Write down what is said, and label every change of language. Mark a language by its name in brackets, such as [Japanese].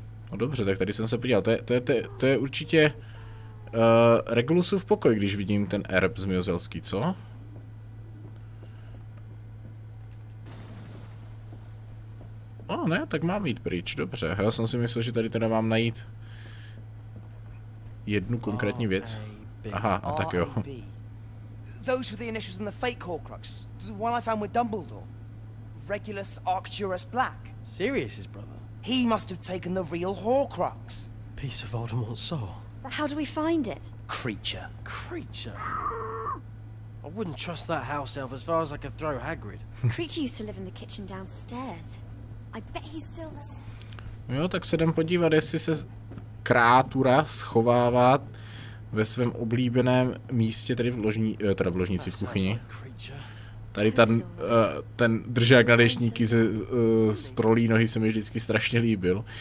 [Czech] No dobře, tak tady jsem se podíval, to je určitě Regulusův pokoj, když vidím ten erb z Miozelský, co? No ne, tak mám jít pryč, dobře, já jsem si myslel, že tady teda mám najít jednu konkrétní věc. Aha, a tak jo. [English] Those were the initials in the fake Horcrux. The one I found with Dumbledore. Regulus Arcturus Black. Sirius's brother. He must have taken the real Horcrux. Piece of Voldemort's soul. But how do we find it? Creature. I wouldn't trust that house elf as far as I could throw Hagrid. Creature used to live in the kitchen downstairs. I bet he's still there. [Czech] Jo, tak se jdem podívat, jestli se krátura schovává ve svém oblíbeném místě, tedy v ložnici v kuchyni. Tady ten držák na deštníky z trolí nohy se mi vždycky strašně líbil.